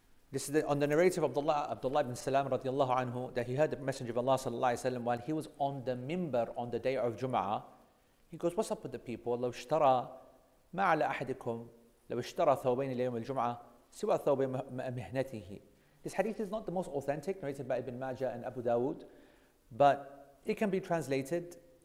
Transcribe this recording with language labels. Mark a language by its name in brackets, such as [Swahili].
[English] This is on the narrative of Abdullah ibn Salam radiallahu anhu, that he heard the message of Allah sallallahu alayhi wa sallam while he was on the minbar on the day of Jum'ah. He goes, what's up with the people? [Arabic] لو اشترى ما على أحدكم لو اشترى ثوبين ليوم الجمعة سوى ثوب مهنته. [English] This hadith is not the most authentic, narrated by Ibn Majah and Abu Dawood, but it can be translated.